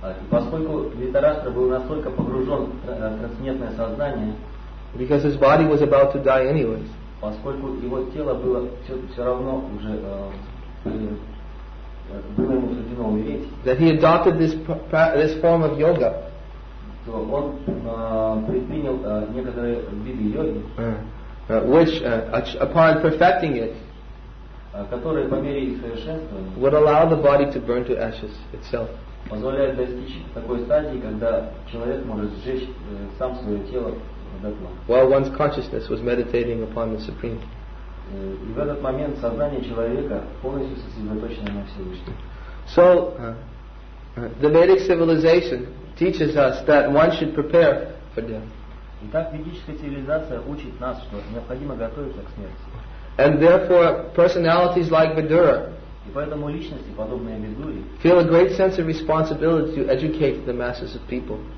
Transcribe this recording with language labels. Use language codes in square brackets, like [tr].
[ru] Поскольку Дхритараштра был настолько погружен в трансцендентное сознание. [en] Because his body was about to die anyways. [ru] Поскольку его тело было все равно уже было ему суждено умереть. [en] That he adopted this form of yoga. [ru] То он предпринял некоторые виды йоги. [en] Which upon perfecting it. [ru] Которые по мере их совершенствования [en] would allow the body to burn to ashes itself. [ru] Позволяет достичь такой стадии, когда человек может сжечь сам свое тело дотла. [en] While one's consciousness was meditating upon the Supreme. [ru] И в этот момент сознание человека полностью сосредоточено на Всевышнем. [en] So, the Vedic civilization teaches us that one should prepare for death. [ru] Итак, ведическая цивилизация учит нас, что необходимо готовиться к смерти. [en] And therefore, personalities like Vidura feel a great sense of responsibility to educate the masses of people.